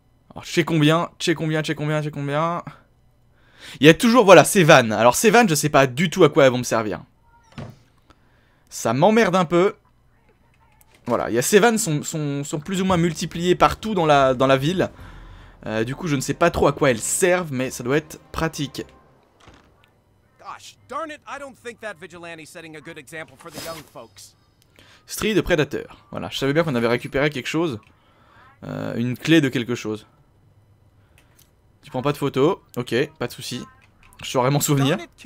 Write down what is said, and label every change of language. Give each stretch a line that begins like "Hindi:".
French: Alors, je sais combien. Il y a toujours, voilà, ces vannes. Alors, ces vannes, je sais pas du tout à quoi elles vont me servir. Ça m'emmerde un peu. Voilà, il y a ces vannes sont plus ou moins multipliées partout dans la ville. Du coup, je ne sais pas trop à quoi elles servent, mais ça doit être pratique.
English: Gosh, darn it, I don't think that vigilante is setting a good example for the young folks.
French: Street de prédateur. Voilà, je savais bien qu'on avait récupéré quelque chose. Une clé de quelque chose. Tu prends pas de photo, ok, pas de soucis. Je saurais m'en souvenir.